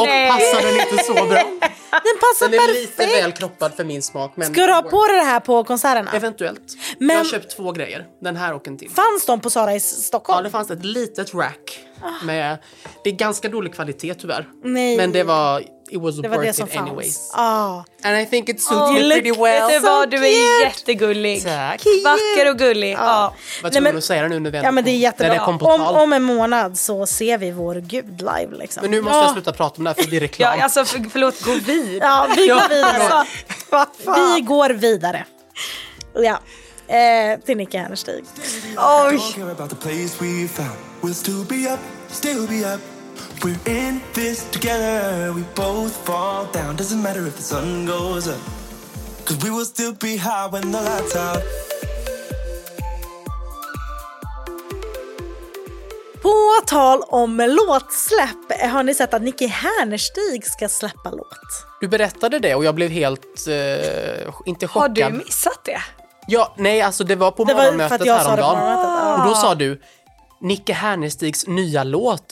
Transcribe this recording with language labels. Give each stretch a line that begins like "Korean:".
Swedish: Och passar den inte så bra. Den passar perfekt. Den är lite välkroppad för min smak. Men ska du ha på dig det här på konserterna? Eventuellt. Men jag har köpt två grejer. Den här och en till. Fanns de på Sara i Stockholm? Ja, det fanns ett litet rack. Med, det är ganska dålig kvalitet tyvärr. Nej. Men det var...
English: it was det worth it anyways. Ah. And I think it suits you pretty well.
Swedish: Vet du vad, du är jättegullig. Tack. Vacker och gullig. Vad tror du att säga nu när vi ja, men det är jättebra. Det om en månad så ser vi vår gud live. Liksom. Men nu måste jag sluta prata om det här för det är reklam. Ja, alltså, förlåt, gå vid. Ja, vi går vidare. Vi går vidare. Ja. Till Nicky Hernestig. Oj.
English: We'll still be up, still be up. We're in this together. We both fall down. Doesn't matter if the sun goes up, 'cause we will still be high when the lights out.
Swedish: På tal om låtsläpp, har ni sett att Nicky Hernestig ska släppa låt? Du berättade det och jag blev helt inte chockad. Har du missat det? Ja, nej, alltså det var på morgonmötet häromdagen. Och då sa du Nicke Hernestigs nya låt.